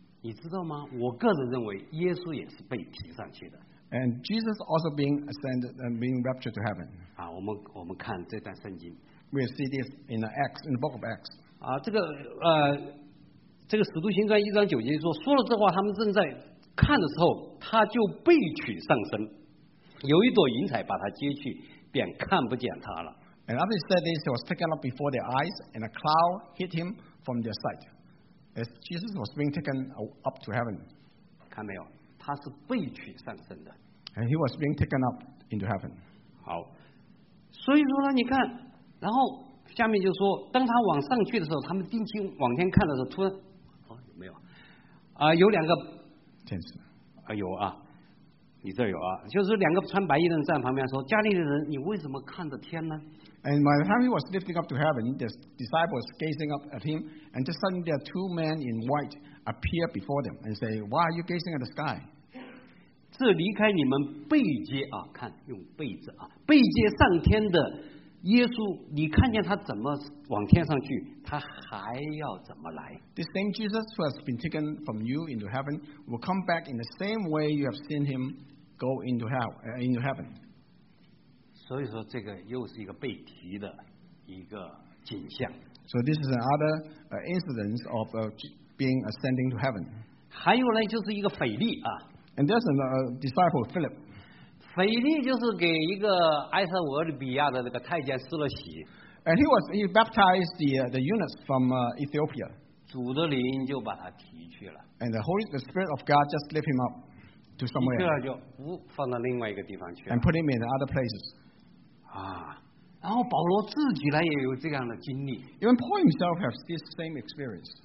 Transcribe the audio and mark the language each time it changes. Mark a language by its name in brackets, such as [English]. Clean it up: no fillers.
[Chinese] 你知道吗？我个人认为耶稣也是被提上去的 [English] and Jesus also being ascended and being raptured to heaven. [Chinese] 啊，我们看这段圣经 [English] we see this in the Acts, in the book of Acts. [Chinese] 啊，这个使徒行传一章九节说了这话，他们正在看的时候，他就被取上升，有一朵云彩把他接去，便看不见他了。 [English] And after he said this, he was taken up before their eyes, and a cloud hid him from their sight. As Jesus was being taken up to heaven, [Chinese] 看没有，他是被取上升的。 [English] And he was being taken up into heaven. [Chinese] 好，所以说呢，你看，然后下面就说，当他往上去的时候，他们定睛往天看的时候，突然，哦，有没有？有两个。天使啊，有啊，你这有啊，就是两个穿白衣人站旁边说：“加利利人，你为什么看着天呢 [English] ？”And by the time he was lifting up to heaven, the disciples gazing up at him, and just suddenly there are two men in white appear before them and say, "Why are you gazing at the sky?" [Chinese] 这离开你们背阶啊，看用背字啊，背阶上天的耶稣，你看见他怎么往天上去，他还要怎么来 [English] ？This same Jesus who has been taken from you into heaven will come back in the same way you have seen him go into hell, into heaven. [Chinese] 所以说，这个又是一个被提的一个景象。 [English] So this is another incident of being ascending to heaven. [Chinese] 还有呢，就是一个腓力啊。 [English] And there's a disciple Philip. [Chinese] 腓力就是给一个埃塞俄比亚的那个太监施了洗 [English] ，and he baptized the eunuch from Ethiopia. [Chinese] 主的灵就把他提去了 [English] ，and the spirit of God just lift him up to somewhere. [Chinese] 一个就放到另外一个地方去 [English] ，and put him in other places. [Chinese] 啊，然后保罗自己呢也有这样的经历 [English] ，even Paul himself has this same experience.